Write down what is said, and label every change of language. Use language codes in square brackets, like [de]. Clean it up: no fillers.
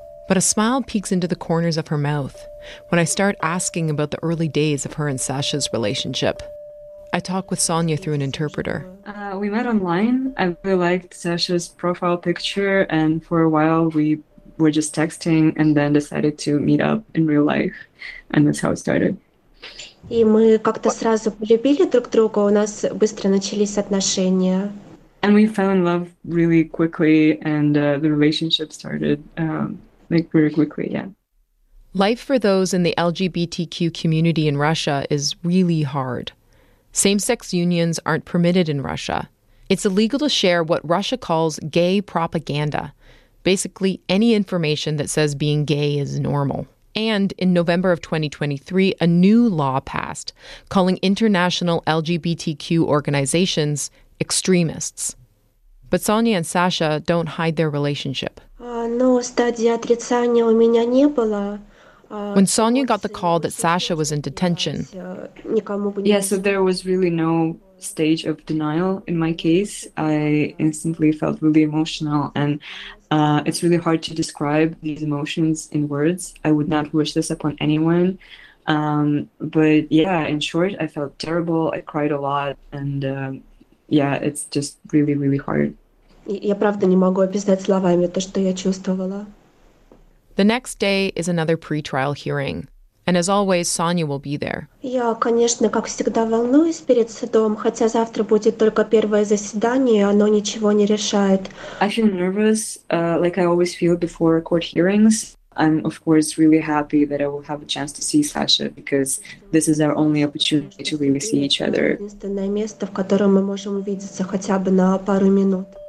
[en] But a smile peeks into the corners of her mouth when I start asking about the early days of her and Sasha's relationship. I talk with Sonia through an interpreter. We met online. I really liked Sasha's profile picture, and for a while we were just texting and then decided to meet up in real life. And that's how it started. [ru] И мы как-то сразу полюбили друг друга, у нас быстро начались отношения. [en] And we fell in love really quickly, and the relationship started very quickly, yeah. Life for those in the LGBTQ community in Russia is really hard. Same-sex unions aren't permitted in Russia. It's illegal to share what Russia calls gay propaganda, basically any information that says being gay is normal. And in November of 2023, a new law passed calling international LGBTQ organizations extremists. But Sonia and Sasha don't hide their relationship. [ru] No, стадии отрицания у меня не было. [en] When Sonia got the call that Sasha was in detention. Yeah, so there was really no stage of denial in my case. I instantly felt really emotional, and it's really hard to describe these emotions in words. I would not wish this upon anyone. But yeah, in short, I felt terrible. I cried a lot, and yeah, it's just really, really hard. [ru] Я правда не могу описать словами то, что я чувствовала. [en] The next day is another pre-trial hearing, and as always, Sonia will be there. [ru] Я, конечно, как всегда волнуюсь перед судом, хотя завтра будет только первое заседание, оно ничего не решает. [en] I feel nervous, like I always feel before court hearings. I'm, of course, really happy that I will have a chance to see Sasha, because this is our only opportunity to really see each other. [ru] Единственное место, в котором мы можем увидеться хотя бы на пару минут.